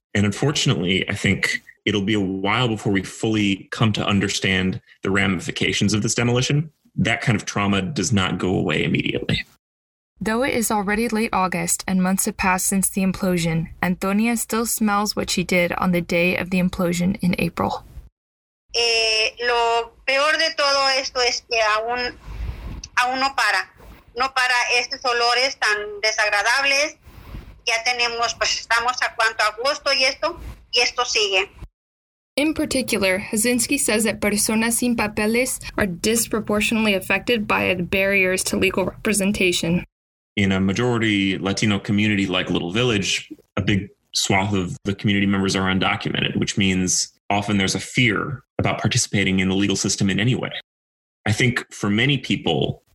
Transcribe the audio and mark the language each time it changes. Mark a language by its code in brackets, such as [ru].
[en] And unfortunately, I think it'll be a while before we fully come to understand the ramifications of this demolition. That kind of trauma does not go away immediately. Though it is already late August and months have passed since the implosion, Antonia still smells what she did on the day of the implosion in April. [es] Lo peor de todo esto es que aún no para. No para estos olores tan desagradables. Ya tenemos, pues estamos a cuanto agosto y esto sigue. [en] In particular, Hazinski says that [es] personas sin papeles [en] are disproportionately affected by the barriers to legal representation. In a majority Latino community like Little Village, a big swath of the community members are undocumented, which means often there's a fear about participating in the legal system in any way. I think for many people,